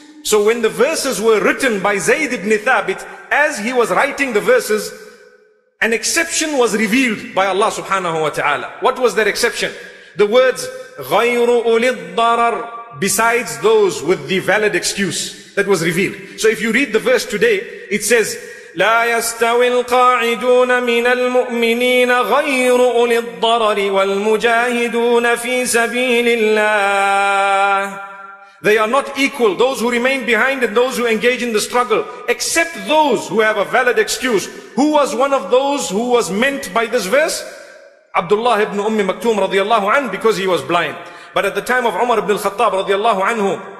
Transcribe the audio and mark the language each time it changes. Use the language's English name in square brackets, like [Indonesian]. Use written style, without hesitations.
[English] So when the verses were written by Zayd ibn Thabit, as he was writing the verses, an exception was revealed by Allah subhanahu wa ta'ala. What was that exception? The words, [Arabic] غَيْرُ أُولِي الضَّرَرِ, [English] besides those with the valid excuse, that was revealed. So if you read the verse today, it says, [Arabic] لا يستوي القاعدون من المؤمنين غير أولي الضرر والمجاهدون في سبيل الله. [English] They are not equal, those who remain behind and those who engage in the struggle, except those who have a valid excuse. Who was one of those who was meant by this verse? Abdullah ibn Umm Maktoum radiallahu anhu, because he was blind. But at the time of Umar ibn al-Khattab radiallahu anhu,